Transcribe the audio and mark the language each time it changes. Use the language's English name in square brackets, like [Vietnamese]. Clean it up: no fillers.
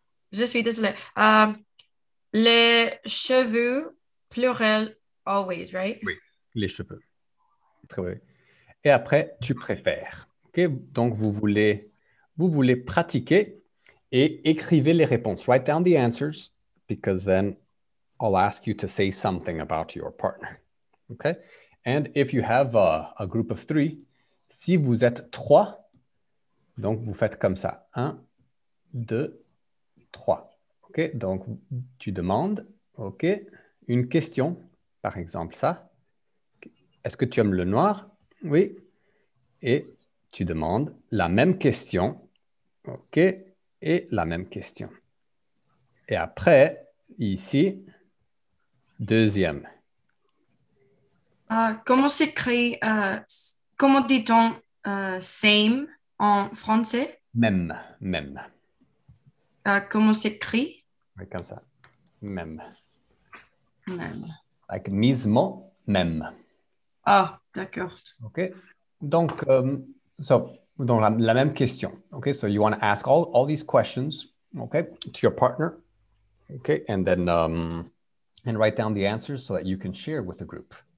[French] Je suis désolée. Les cheveux, pluriel, [English] always, right? [French] Oui, les cheveux. Très bien. Et après, tu préfères. OK. Donc, vous voulez pratiquer. Et écrivez les réponses. [English] Write down the answers, because then I'll ask you to say something about your partner. Okay? And if you have a group of three, [French] si vous êtes trois, donc vous faites comme ça. Un, deux, trois. Okay? Donc tu demandes, ok, une question, par exemple ça. Est-ce que tu aimes le noir? Oui. Et tu demandes la même question. Ok. Et la même question. Et après, ici, deuxième. Comment s'écrit, comment dit-on same en français? Même, même. Comment s'écrit? Oui, comme ça. Même. Même. Like, mismo, même. Ah, d'accord. OK. Donc, donc la même question. [English] OK, so you want to ask all these questions, OK, to your partner. OK, and then and write down the answers so that you can share with the group.